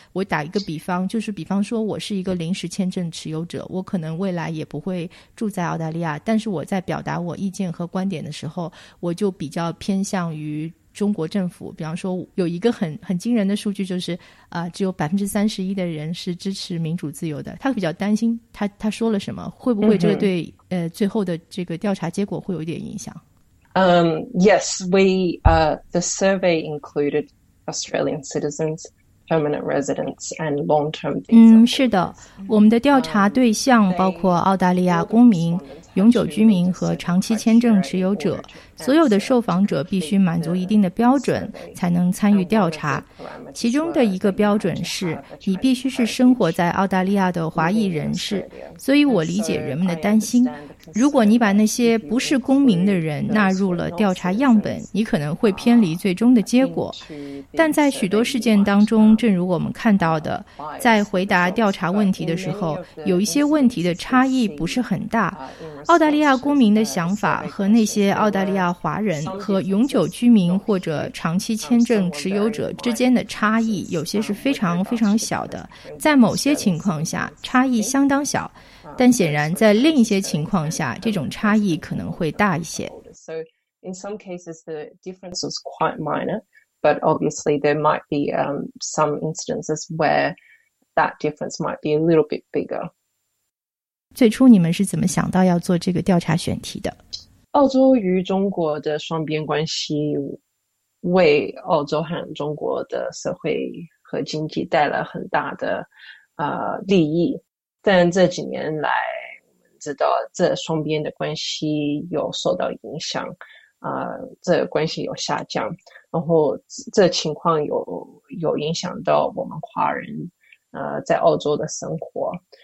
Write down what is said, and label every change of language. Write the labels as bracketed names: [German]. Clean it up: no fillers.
[Chinese] 我打一个比方，就是比方说我是一个临时签证持有者，我可能未来也不会住在澳大利亚，但是我在表达我意见和观点的时候，我就比较偏向于中国政府。比方说有一个很惊人的数据，就是只有31%的人是支持民主自由的。他比较担心他说了什么，会不会这个对最后的这个调查结果会有一点影响？ [English] Yes, the survey included Australian citizens, permanent residents and long-term visa. [Chinese] 是的，我们的调查对象包括澳大利亚公民、永久居民和长期签证持有者，所有的受访者必须满足一定的标准才能参与调查。其中的一个标准是你必须是生活在澳大利亚的华裔人士，所以我理解人们的担心。如果你把那些不是公民的人纳入了调查样本，你可能会偏离最终的结果。但在许多事件当中，正如我们看到的，在回答调查问题的时候，有一些问题的差异不是很大。澳大利亚公民的想法和那些澳大利亚华人和永久居民或者长期签证持有者之间的差异，有些是非常非常小的，在某些情况下差异相当小，但显然在另一些情况下这种差异可能会大一些。 [English] So in some cases the difference is quite minor, but obviously there might be some instances where that difference might be a little bit bigger. [Chinese] 最初你们是怎么想到要做这个调查选题的？澳洲与中国的双边关系为澳洲和中国的社会和经济带来很大的利益，但这几年来我们知道这双边的关系有受到影响，这关系有下降，然后这情况有影响到我们华人在澳洲的生活。